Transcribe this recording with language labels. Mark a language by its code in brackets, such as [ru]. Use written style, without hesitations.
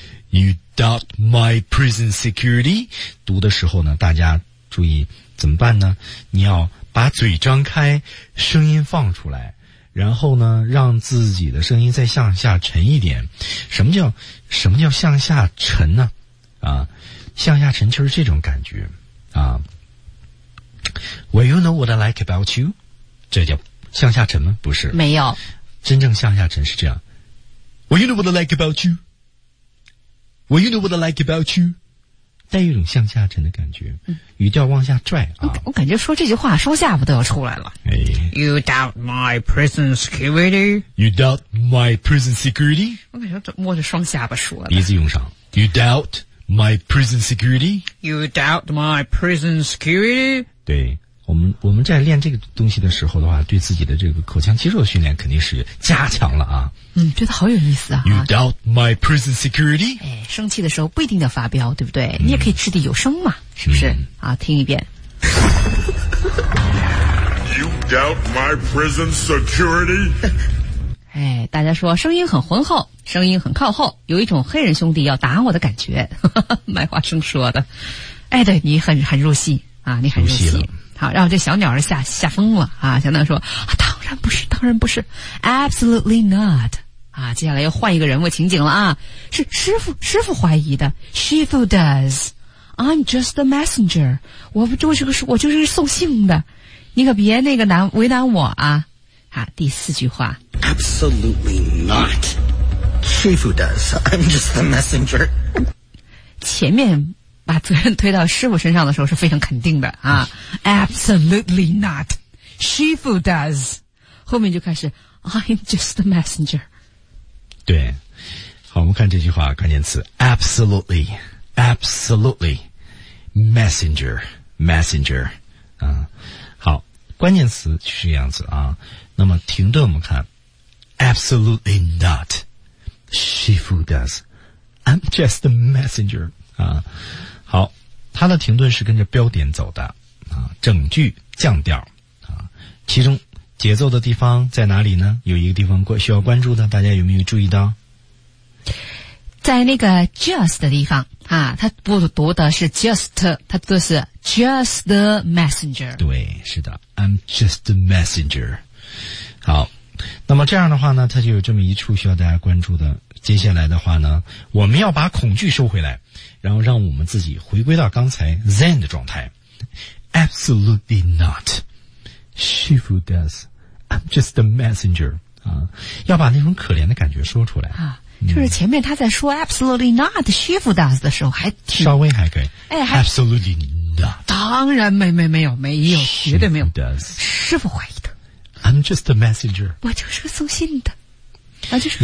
[en] You doubt my prison security， [zh] 读的时候呢，大家注意怎么办呢，你要把嘴张开，声音放出来，然后呢让自己的声音再向下沉一点。什么叫向下沉呢？啊，向下沉就是这种感觉啊。 [en] Well, you know what I like about you? [zh] 这叫向下沉吗？不是。没有。真正向下沉是这样。 [en] Well, you know what I like about you? Well, you know what I like about you. [zh] 带一种向下沉的感觉，语调往下拽啊！我感觉说这句话，烧下巴都要出来了。哎 [en] ，You doubt my prison security? You doubt my prison security? [zh] 我感觉摸着双下巴说的，鼻子用上。 [en] You doubt my prison security? You doubt my prison security? [zh] 对。我们在练这个东西的时候的话，对自己的这个口腔肌肉训练肯定是加强了啊。嗯，觉得好有意思啊。 [en] You doubt my prison security? [zh] 哎，生气的时候不一定要发飙，对不对？你也可以掷地有声嘛，是不是？啊，听一遍。 [en] You doubt my prison security? [zh] 哎，大家说声音很浑厚，声音很靠后，有一种黑人兄弟要打我的感觉。麦华生说的。哎，对，你很入戏啊，你很入戏。好，然后这小鸟儿吓疯了啊！小鸟说、啊：“当然不是，当然不是 ， [en] absolutely not [zh] 啊！” 接下来又换一个人物情景了啊，是师傅怀疑的 ， [en] Shifu does。 I'm just the messenger， [zh] 我就是个送信的，你可别那个为难我啊！啊，第四句话 [en] ，absolutely not， Shifu does。 I'm just the messenger。 [zh] 前面。把责任推到师傅身上的时候是非常肯定的啊 ， [en] Absolutely not, Shifu does。 [zh] 后面就开始 [en] ，I'm just the messenger。 [zh] 对，好，我们看这句话关键词 ，absolutely, absolutely, messenger, messenger。啊，好，关键词就是这样子啊。那么停顿，我们看 [en] ，absolutely not, Shifu does, I'm just the messenger。 [zh] 啊。好，他的停顿是跟着标点走的啊，整句降调啊，其中节奏的地方在哪里呢？有一个地方需要关注的，大家有没有注意到？在那个 just 的地方啊，他不读的是 just， 他读的是 [en] just the messenger。 [zh] 对，是的 [en] ，I'm just the messenger。 [zh] 好，那么这样的话呢，他就有这么一处需要大家关注的。接下来的话呢，我们要把恐惧收回来，然后让我们自己回归到刚才 Zen 的状态。 [en] Absolutely not, Shifu does. I'm just the messenger. [zh] 啊，要把那种可怜的感觉说出来啊。就是前面他在说 [en] Absolutely not, Shifu does [zh] 的时候，还挺稍微还可以。哎 [en] ，Absolutely not. [zh] 当然没有，绝对没有。 [en] Does [zh] 师傅怀疑的。 [en] I'm just the messenger. [zh] 我就是个送信的。啊，就是